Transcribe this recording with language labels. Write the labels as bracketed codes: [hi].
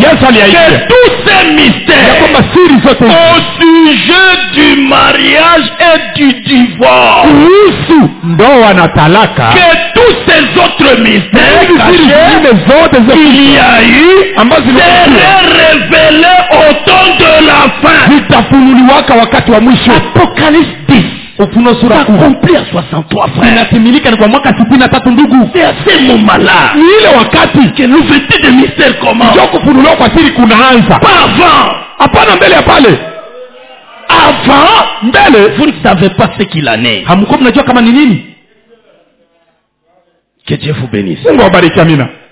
[fr] Que tous ces mystères au sujet du mariage et du divorce, que tous ces autres mystères cachés qu'il y a eu seront révélé au temps de la fin. [sw] Vitafunuliwaka wakati wa mwisho. [fr] Apocalypse 10. [sw] Ufunuo sura [fr] 10. Accompli à 63 frères. [sw] Inatimilika ni kwa mwaka 63 ndugu. [fr] C'est à ce moment-là. [sw] Ni ile wakati. [fr] Que l'ouverture des mystères commence. [sw] Ndio kufunuliwa kwa siri kunaanza. [fr] Pas avant. [sw] Hapana mbele ya pale. [fr] Avant. [sw] Mbele. [fr] Vous ne savez pas ce qu'il en est. [sw] Hamkuwa mnajua kama ni nini. [fr] Que Dieu vous bénisse. [sw] Mungu wabariki amina.